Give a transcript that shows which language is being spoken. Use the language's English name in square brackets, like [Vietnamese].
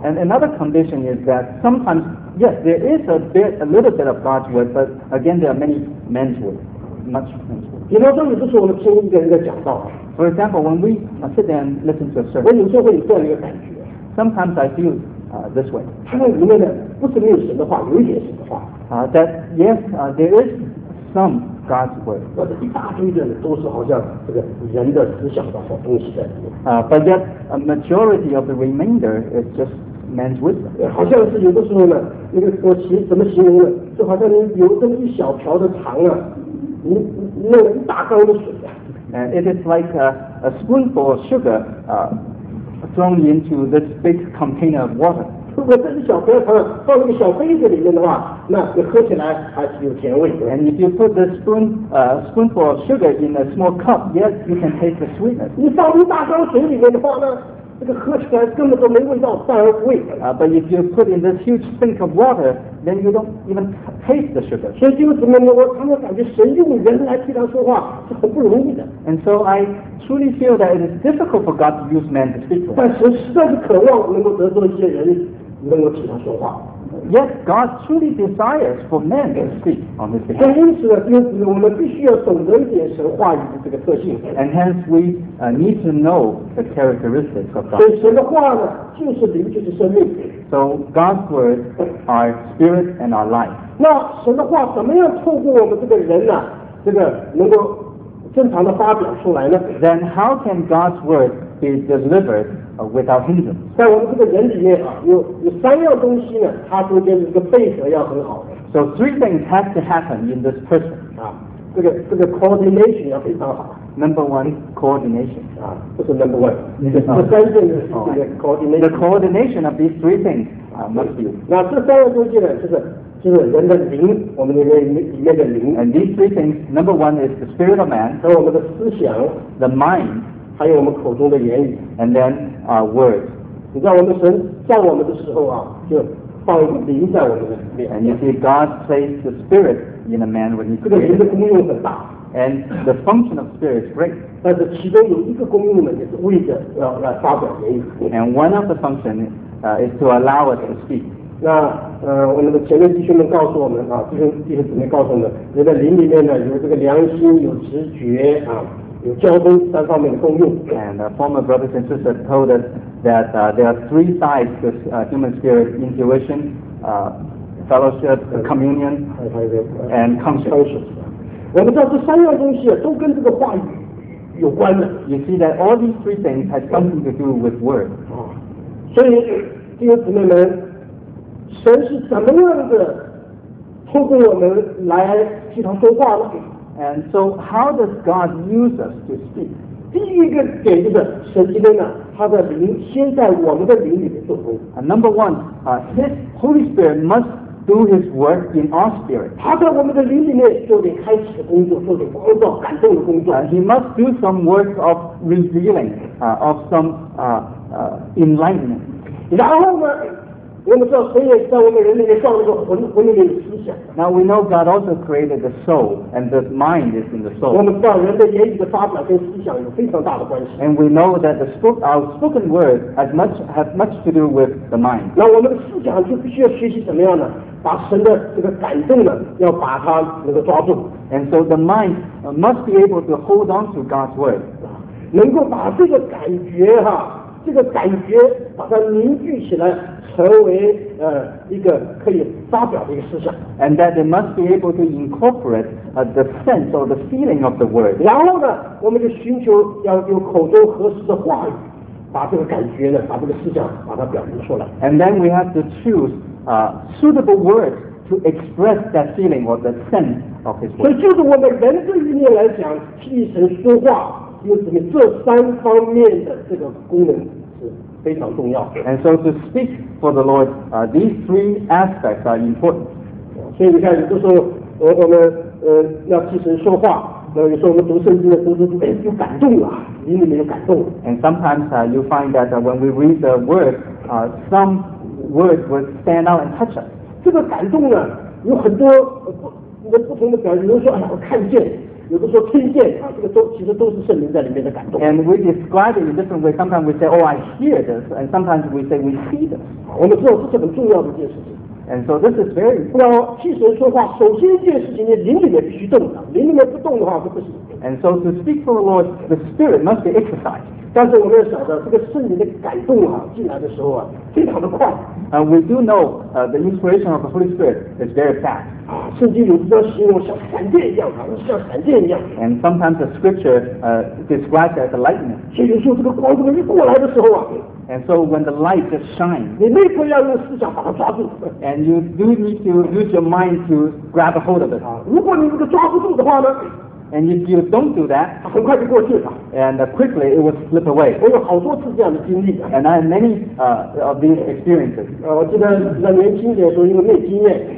[English] And another condition is that sometimes, yes, there is a little bit of God's word, but again, there are many men's words, much men's words. [Chinese] 比方说，有的时候我们听一个人在讲道。 [English] For example, when we sit there and listen to a sermon, [Chinese] 我有时候会有这样一个感觉。 [English] Sometimes I feel this way. [Chinese] 他那里面呢，不是没有神的话，有一点神的话。 [English] That yes, there is some God's word. [Chinese] 那这一大堆的都是好像这个人的思想的好东西在里面。 [English] But yet a majority of the remainder is just man's wisdom. [Chinese] 好像是有的时候呢，那个我怎么形容呢？就好像你有这么一小瓢的糖啊，你弄了一大缸的水啊。 [English] And it is like a spoonful of sugar. thrown into this big container of water. [Chinese] 如果这是小杯子，放一个小杯子里面的话，那你喝起来还是有甜味的。 [English] And if you put the spoonful of sugar in a small cup, yes, you can taste the sweetness. [Chinese] 你放入大缸水里面的话呢？这个喝起来根本都没味道，反而不味。 [English] But if you put in this huge sink of water, then you don't even taste the sugar. [Chinese] 所以弟兄姊妹们，我常常感觉神用人来替他说话是很不容易的。 [English] And so I truly feel that it is difficult for God to use man to speak to us. [Chinese] 但神实在是渴望能够得到一些人能够替他说话。 [English] Yet God truly desires for men to speak on this behalf. [Chinese] 所以因此呢，弟兄姊妹，我们必须要懂得一点神话语的这个特性。 [English] And hence we need to know the characteristics of God. [Chinese] 所以神的话呢，就是灵，就是生命。 [English] So God's word are spirit and our life. [Chinese] 那神的话怎么样透过我们这个人呢、啊？这个能够正常的发表出来呢 [English] ？Then how can God's word be delivered? Without hindrance. [Chinese] 在我们这个人里面啊，有三样东西呢，它中间的这个配合要很好。 [English] So three things have to happen in this person. [Chinese] 啊，这个 coordination 要非常好。 [English] Number one, coordination. [Chinese] 啊，不是 [English] number one. [Chinese] 这三件是这个 coordination. [English] The coordination of these three things must be. [Chinese] 那这三样东西呢，就是人的灵，我们里面的灵。 [English] And these three things, number one is the spirit of man. [Chinese] 和我们的思想。 [English] The mind. [Chinese] 还有我们口中的言语 [English] ，and then our words。 [Chinese] 你知道我们神造我们的时候啊，就放一个灵在我们的里面。 [English] And you see God placed the spirit in a man when he created. [Chinese] 这个灵的功用很大 [English] ，and the function of spirit is great. [Chinese] 但是其中有一个功用呢，就是为着要来发表言语。 [English] And one of the functions is to allow us to speak. [Chinese] 那我们的前面弟兄们告诉我们啊，弟兄姊妹告诉我们，人的灵里面呢有这个良心，有直觉啊。有交通三方面的共用 [English] and former brothers and sisters told us that there are three sides to human spirit intuition, fellowship, communion, and conscience. [Chinese] 我们知道这三样东西都跟这个话语有关的 [English] You see that all these three things have something to do with word. [Chinese] 所以弟兄姊妹们神是怎么样的透过我们来替他说话呢 [English] And so, how does God use us to speak? [Chinese] 第一个点就是神今天呢，他的灵先在我们的灵里面做工。 [English] Number one, His Holy Spirit must do His work in our spirit. [Chinese] 他在我们的灵里面做点开启的工作，做点光照、感动的工作。 [English] He must do some work of revealing, of some enlightenment. [Chinese] 然后呢？我们知道神也在我们人里面造了个魂里面的思想。 [English] Now we know God also created the soul, and the mind is in the soul. [Chinese] 我们知道人的言语的发表跟思想有非常大的关系。 [English] And we know that our spoken word has much to do with the mind. [Chinese] 那我们的思想就必须要学习怎么样呢？把神的这个感动呢，要把它那个抓住。 [English] And so the mind must be able to hold on to God's word. [Chinese] 能够把这个感觉哈，这个感觉把它凝聚起来。成为一个可以发表的一个思想 [English] ，and that they must be able to incorporate the sense or the feeling of the word. [Chinese] 然后呢，我们就寻求要用口中合适的话语，把这个感觉呢，把这个思想把它表明出来。 [English] And then we have to choose suitable words to express that feeling or the sense of His word. [Chinese] 所以就是我们人这一面来讲，替神说话，有什么这三方面的这个功能是。非常重要 [English] And so to speak for the Lord, these three aspects are important. [Chinese] 所以你看，有的时候我们要替神说话，那有时候我们读圣经的读着读，哎，有感动了，灵里面有感动。 [English] And sometimes you find that when we read the word, some words will stand out and touch us. [Chinese] 这个感动呢，有很多不同的表现，比如说，哎呀，我看见。有的时候听见啊，这个都其实都是圣灵在里面的感动。 [English] And we describe it in different ways. Sometimes we say, "Oh, I hear this," and sometimes we say, "We see this." [Chinese] 我们知道这是很重要的一件事情。 [English] And so this is very. [Chinese] 要替神说话，首先一件事情，你灵里面必须动的。灵里面不动的话是不行。 [English] And so to speak for the Lord, the spirit must be exercised. [Chinese] 但是我们要晓得，这个圣灵的感动啊，进来的时候啊，非常的快。 [English] And we do know the inspiration of the Holy Spirit is very fast. [Chinese] 圣经有时候形容像闪电一样，好像闪电一样。 [English] And sometimes the scripture describes it as lightning. [Chinese] 所以有时候这个光这么一过来的时候啊。 [English] And so when the light just shines. [Chinese] 你立刻要用思想把它抓住。 [English] And you do need to use your mind to grab a hold of it. [Chinese] 如果你这个抓不住的话呢？ [English] And if you don't do that, [Chinese] 很快就过去了 [English] and quickly it would slip away. [Chinese] 我有好多次这样的经历。 [English] And I had many of these experiences. [Chinese] 我记得在年轻的时候，因为没经验。